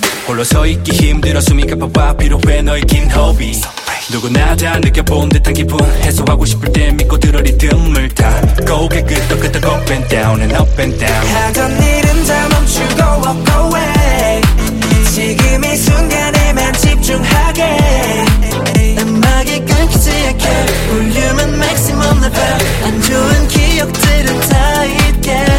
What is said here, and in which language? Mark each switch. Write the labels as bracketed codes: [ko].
[ko] 홀로 서 있기 힘들어 숨이 가빠봐 필요해 너의 긴 호흡이. 누구나 다 느껴본 듯한 기분 해소하고 싶을 때 믿고 들어 리듬을 타. [en] Go get good, go get the go up and down and up and down. [ko] 하던 일은 다 멈추고 [en] walk away. [ko] 지금 이 순간에만 집중하게. 음악이 끊기지 않게 볼륨은 [en] maximum level. [ko] 안 좋은 기억들은 다 잊게.